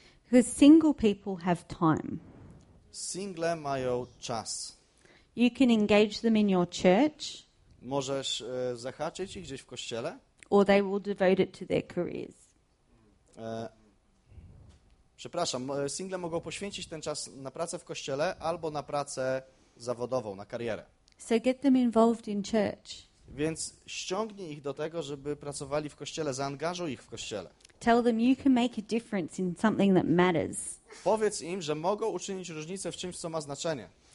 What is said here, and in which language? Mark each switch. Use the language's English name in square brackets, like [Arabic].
[English] Because single people have time. [Polish] Single mają czas. [English] You can engage them in your church. [Polish] Możesz zahaczyć ich gdzieś w kościele. [English] or they will devote it to their careers. [Polish] Przepraszam, single mogą poświęcić ten czas na pracę w kościele albo na pracę zawodową, na karierę. [English] So get them involved in church. [Polish] Więc ściągnij ich do tego, żeby pracowali w kościele, zaangażuj ich w kościele. [English] Tell them you can make a difference in something that matters. [Polish] Powiedz im, że mogą uczynić różnicę w czymś, co ma znaczenie.